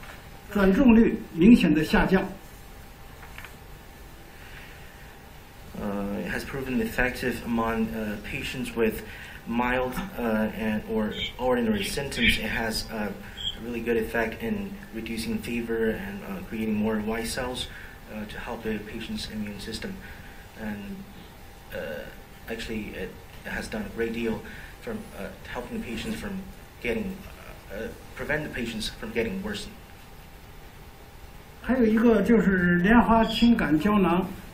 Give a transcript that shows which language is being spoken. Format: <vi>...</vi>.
<zh>这个药呢，在治疗轻症和普通型的新冠的患者中呢，有确切的疗效。它表现出可以缩短退热的时间，而淋巴细胞、白细胞复常率显著提高，转重率明显的下降。</zh> <en>Has proven effective among patients with mild or ordinary symptoms. It has a really good effect in reducing fever and creating more white cells to help the patient's immune system. And actually, it has done a great deal from helping the patients from getting, prevent the patients from getting worse.</en> <zh>还有一个就是莲花清感胶囊。</zh>